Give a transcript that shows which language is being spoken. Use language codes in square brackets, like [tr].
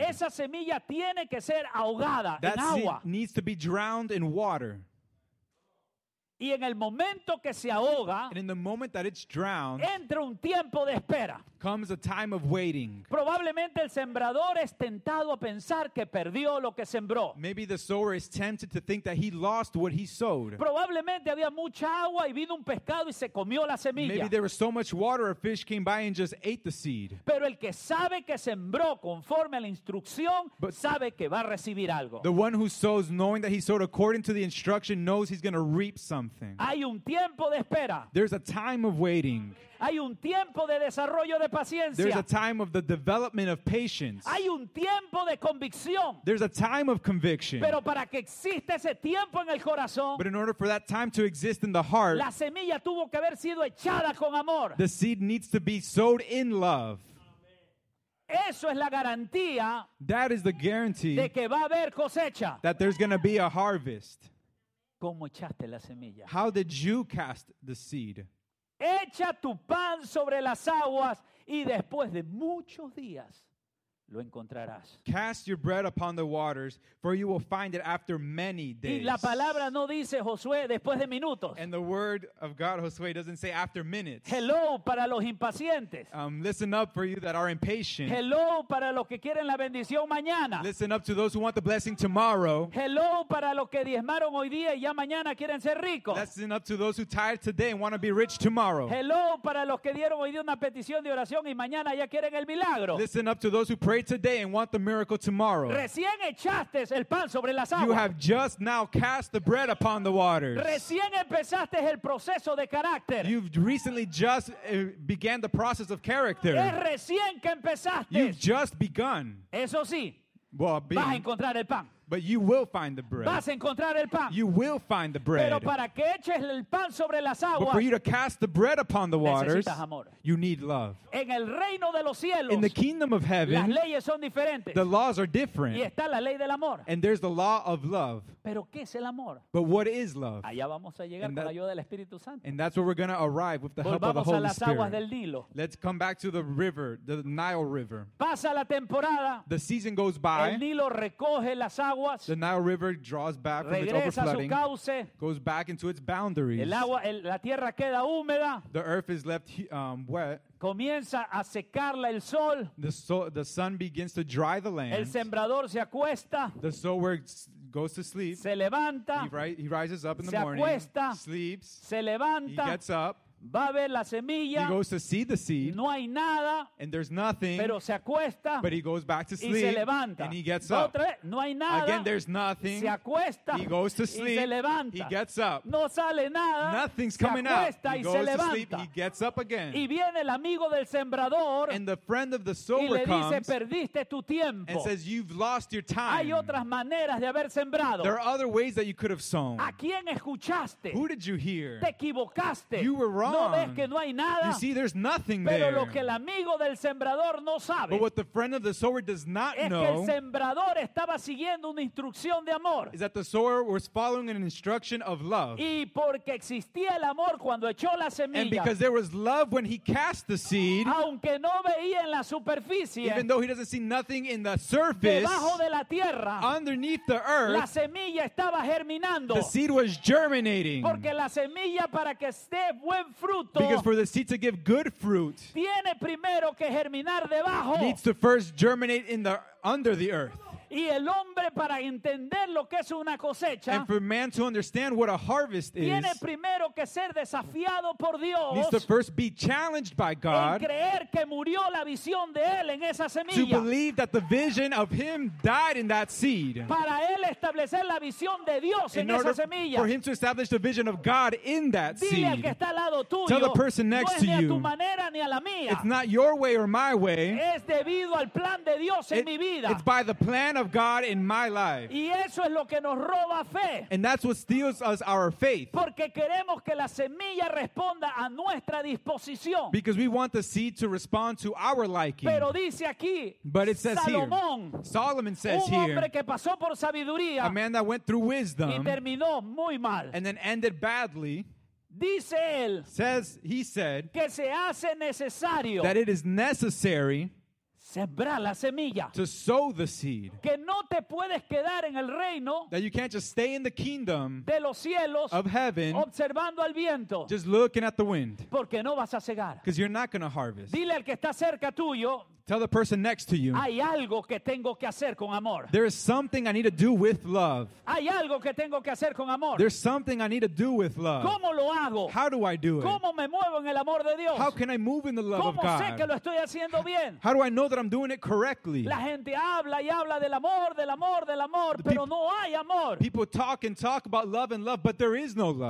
[es] Esa semilla tiene que ser ahogada [en] that [es] en agua. [en] That seed needs to be drowned in water. [es] Y en el momento que se ahoga, [en] and in the moment that it's drowned, [es] entra un tiempo de espera. [en] Comes a time of waiting. [es] Probablemente el sembrador es tentado a pensar que perdió lo que sembró. [en] Maybe the sower is tempted to think that he lost what he sowed. [es] Probablemente había mucha agua y vino un pescado y se comió la semilla. [en] Maybe there was so much water a fish came by and just ate the seed. [es] Pero el que sabe que sembró conforme a la instrucción, [en] but [es] sabe que va a recibir algo. [en] The one who sows knowing that he sowed according to the instruction knows he's going to reap something. [es] Hay un tiempo de espera. [en] There's a time of waiting. [es] Hay un tiempo de desarrollo de paciencia. [en] There's a time of the development of patience. [es] Hay un tiempo de convicción. [en] There's a time of conviction. [es] Pero para que exista ese tiempo en el corazón, [en] but in order for that time to exist in the heart, [es] la semilla tuvo que haber sido echada con amor. [en] The seed needs to be sowed in love. [es] Eso es la garantía. [en] That is the guarantee. [es] De que va a haber cosecha. [en] That there's going to be a harvest. [es] ¿Cómo echaste la semilla? [en] How did you cast the seed? [es] Echa tu pan sobre las aguas y después de muchos días lo encontrarás. [en] Cast your bread upon the waters, for you will find it after many days. [es] Y la palabra no dice, Josué, después de minutos. [en] And the word of God, Josué, doesn't say after minutes. Hello [es] para los impacientes. [en] Listen up for you that are impatient. Hello [es] para los que quieren la bendición mañana. [en] Listen up to those who want the blessing tomorrow. Hello [es] para los que diezmaron hoy día y ya mañana quieren ser ricos. [en] Listen up to those who tithe today and want to be rich tomorrow. Hello [es] para los que dieron hoy día una petición de oración y mañana ya quieren el milagro. [en] Listen up to those who pray today and want the miracle tomorrow. [es] Recién echaste el pan sobre las aguas. [en] You have just now cast the bread upon the waters. [es] Recién empezaste el proceso de carácter. [en] You've recently just began the process of character. [es] Es recién que empezaste. [en] You've just begun. [es] Eso sí. [en] Well, [es] vas a encontrar el pan. [en] But you will find the bread. [es] Vas a encontrar el pan. [en] You will find the bread. [es] Pero para que eches el pan sobre las aguas, [en] but for you to cast the bread upon the waters, [es] necesitas amor. [en] You need love. [es] En el reino de los cielos, [en] in the kingdom of heaven, [es] las leyes son diferentes. [en] The laws are different. [es] Y está la ley del amor. [en] And there's the law of love. [es] Pero ¿qué es el amor? [en] But what is love? [es] Allá vamos a llegar con la ayuda del Espíritu Santo. [en] And that's where we're going to arrive with the [es] volvamos [en] help of the Holy [es] a las [en] Spirit. [es] Aguas del Nilo. [en] Let's come back to the river, the Nile River. [es] Pasa la temporada, [en] the season goes by. [es] El Nilo recoge las aguas. [en] The Nile River draws back from its overflooding, goes back into its boundaries. [es] El agua, la tierra queda húmeda. [en] The earth is left wet. [es] Comienza a secarla el sol. [en] The sun begins to dry the land. [es] El sembrador se acuesta. [en] The sower goes to sleep. [es] Se levanta. [en] He rises up in the [es] se [en] morning. [es] Acuesta. [en] Sleeps. [es] Se levanta. [en] He gets up. [es] Va a ver la semilla. [en] He goes to see the seed. [es] No hay nada. [en] And there's nothing. [es] Pero se acuesta. [en] But he goes back to sleep. [es] Y se levanta. [en] And he gets [es] otra [en] up. [es] Vez, no hay nada. [en] Again, there's nothing. [es] Se acuesta. [en] He goes to sleep. [es] Y se levanta. [en] He gets up. [es] No sale nada. [en] Nothing's [es] se [en] coming out. He goes [es] se levanta. [en] To sleep. He gets up again. [es] Y viene el amigo del sembrador. [en] And the friend of the sower [es] y le dice, [en] comes. [es] Perdiste tu tiempo. [en] And says, you've lost your time. [es] Hay otras maneras de haber sembrado. [en] There are other ways that you could have sown. [es] ¿A quién escuchaste? [en] Who did you hear? [es] Te equivocaste. [en] You were wrong. gone. [es] No ves que no hay nada. [en] You see, there's nothing [es] Pero [en] there. [es] Lo que el amigo del sembrador no sabe. [en] But what the friend of the sower does not [es] es [en] know. [es] Que el sembrador estaba siguiendo una instrucción de amor. [en] Is that the sower was following an instruction of love. [es] Y porque existía el amor cuando echó la semilla. [en] And because there was love when he cast the seed. [es] Aunque no veía en la superficie. [en] Even though he doesn't see nothing in the surface. [es] Debajo de la tierra. [en] Underneath the earth. [es] La semilla estaba germinando. [en] The seed was germinating. [es] Porque la semilla para que esté buen fruto. [en] Because for the seed to give good fruit. [es] Tiene primero que germinar debajo. [en] Needs to first germinate in the under the earth. [es] Y el hombre para entender lo que es una cosecha. [en] And for man to understand what a harvest is. [es] Tiene primero que ser desafiado por Dios. [en] Needs to first be challenged by God. [es] En creer que murió la visión de él en esa semilla. [en] To believe that the vision of him died in that seed. [es] Para él establecer la visión de Dios en esa semilla. [en] In order for him to establish the vision of God in that seed. [es] Dile al que está al lado tuyo. [en] Tell the person next to you. [es] No es ni a tu manera ni a la mía. [en] It's not your way or my way. [es] Es debido al plan de Dios en mi vida. [en] It's by the plan of God in my life. [es] Y eso es lo que nos roba fe. [en] And that's what steals us our faith. [es] Porque queremos que la semilla responda a nuestra disposición. [en] Because we want the seed to respond to our liking. [es] Pero dice aquí, [en] but it says [es] Salomón, [en] here, Solomon says [es] un hombre [en] here, [es] que pasó por sabiduría, [en] a man that went through wisdom [es] y terminó muy mal. [en] And then ended badly. [es] Dice él, [en] says, he said, [es] que se hace necesario, [en] that it is necessary [es] sembrar la semilla. [en] To sow the seed. [es] Que no te puedes quedar en el reino. [en] That you can't just stay in the kingdom. [es] De los cielos. [en] Of heaven. [es] Observando al viento. [en] Just looking at the wind. [es] Porque no vas a segar. [en] Because you're not going to harvest. [es] Dile al que está cerca tuyo. [en] Tell the person next to you. [es] Hay algo que tengo que hacer con amor. [en] There is something I need to do with love. [es] Hay algo que tengo que hacer con amor. [en] There's something I need to do with love. [es] ¿Cómo lo hago? [en] How do I do it? [es] ¿Cómo me muevo en el amor de Dios? [en] How can I move in the love [es] ¿Cómo [en] of God? [es] Sé que lo estoy haciendo bien? [en] How do I know that I'm doing it correctly? [es] La gente habla y habla del amor, pero no hay amor. [en] People talk and talk about love and love, but there is no love.